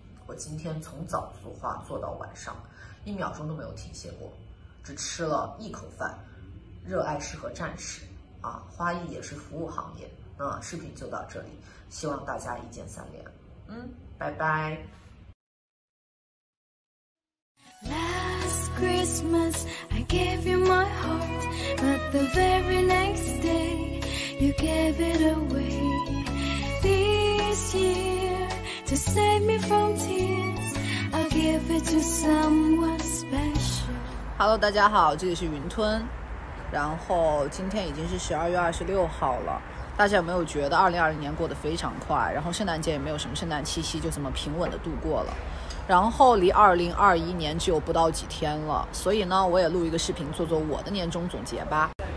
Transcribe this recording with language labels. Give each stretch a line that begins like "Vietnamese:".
Chinese: 我今天从早做画做到晚上，一秒钟都没有停歇过，只吃了一口饭。热爱适合战士啊，花艺也是服务行业。那视频就到这里，希望大家一键三连。嗯，拜拜。
English: Last Christmas, I gave you my heart, but the very next day, you gave it away. This year, to save me from tears, I'll give it to someone special.
Chinese: Hello, 大家好，这里是云吞。然后今天已经是12月26号了。大家有没有觉得2020年过得非常快？然后圣诞节也没有什么圣诞气息，就这么平稳的度过了。然后离2021年只有不到几天了，所以呢，我也录一个视频做做我的年终总结吧。